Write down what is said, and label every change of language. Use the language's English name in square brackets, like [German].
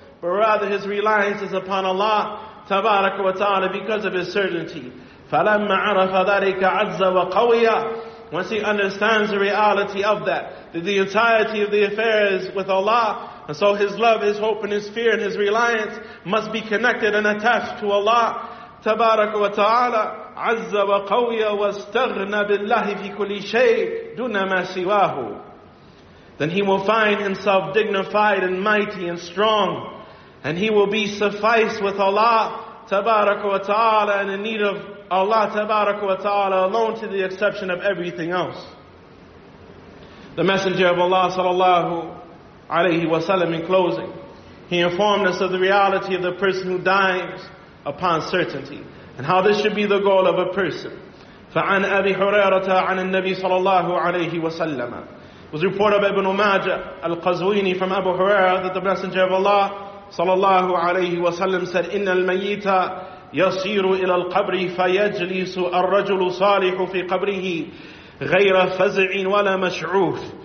[English] But rather his reliance is upon Allah تَبَارَكَ وَتَعَالَى because of his certainty. [Arabic] فَلَمَّا عَرَفَ ذَلِكَ عَزَّ وَقَوِيَا. [English] Once he understands the reality of that, the entirety of the affair is with Allah, and so his love, his hope, and his fear, and his reliance must be connected and attached to Allah. [Arabic] تبارك وتعالى عز وقوي واستغنى بالله في كل شيء دون ما سواه. [English] Then he will find himself dignified and mighty and strong, and he will be sufficed with Allah, تبارك وتعالى, and in need of Allah tabaraka wa ta'ala alone to the exception of everything else. The Messenger of Allah sallallahu alayhi wa sallam, in closing, he informed us of the reality of the person who dies upon certainty and how this should be the goal of a person. [Arabic] فَعَنْ أَبِي حُرَيْرَةَ عَنَ النَّبِي sallallahu alayhi wa sallam. [English] It was reported by Ibn Majah al-Qazwini from Abu Hurairah that the Messenger of Allah sallallahu alayhi wa sallam said, [Arabic] إِنَّ الْمَيِّتَ يَصِيرُ إِلَى الْقَبْرِ فَيَجْلِسُ الرَّجُلُ صَالِحُ فِي قَبْرِهِ غَيْرَ فَزِعٍ وَلَا مَشْعُوفٍ.